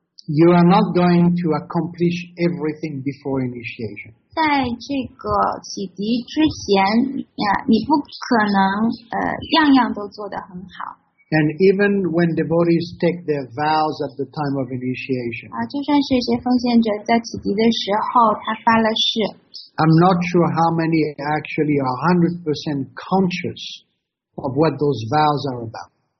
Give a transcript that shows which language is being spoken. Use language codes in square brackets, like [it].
[en] You are not going to accomplish everything before initiation. [zh] 在这个洗涤之前, yeah, 你不可能, 样样都做得很好。 [en] And even when devotees take their vows at the time of initiation, [zh] 就算是一些奉献者在洗涤的时候, 他发了誓, [en] I'm not sure how many actually are 100% conscious of what those vows are about.